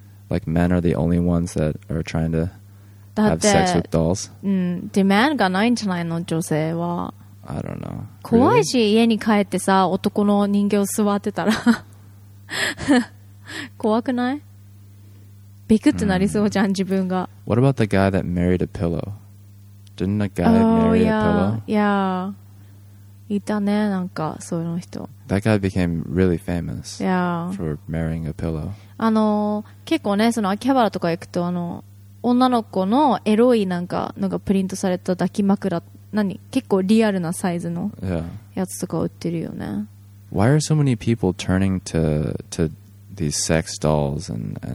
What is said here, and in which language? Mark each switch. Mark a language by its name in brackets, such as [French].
[English] Like men are the only ones that are trying to have sex with dolls. [Japanese] Demand がないんじゃないの、女性は。 [English] I don't know. [Japanese] 怖いし、家に帰ってさ、男の人形座ってたら怖くない？ビクってなりそうじゃん、自分が。 [English] What about the guy that married a pillow? Didn't a guy marry a pillow? Oh yeah. [Japanese] いたね、なんかそういう人。 [English] That guy became really famous. Yeah. For marrying a pillow. [Japanese] 結構ね、その秋葉原とか行くと女の子のエロいなんかのがプリントされた抱き枕、何、結構リアルなサイズのやつとか売ってるよね。 [English] Why are so many people turning to these sex dolls and